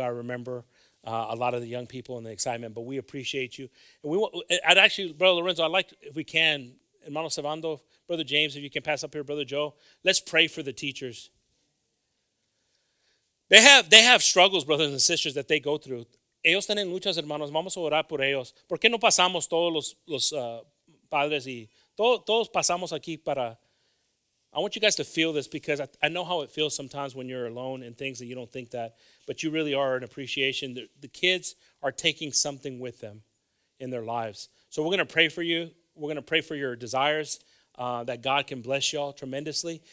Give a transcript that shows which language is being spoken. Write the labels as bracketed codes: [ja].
[en] I remember a lot of the young people and the excitement. But we appreciate you. And I'd actually, Brother Lorenzo, I'd like, if we can, Hermano Savando, Brother James, if you can pass up here, Brother Joe, let's pray for the teachers. They have struggles, brothers and sisters, that they go through. [es] Ellos tienen luchas, hermanos. Vamos a orar por ellos. ¿Por qué no pasamos todos los padres y todos pasamos aquí para? [en] I want you guys to feel this because I know how it feels sometimes when you're alone and things that you don't think that, but you really are an appreciation. The kids are taking something with them in their lives. So we're going to pray for you. We're going to pray for your desires that God can bless y'all tremendously.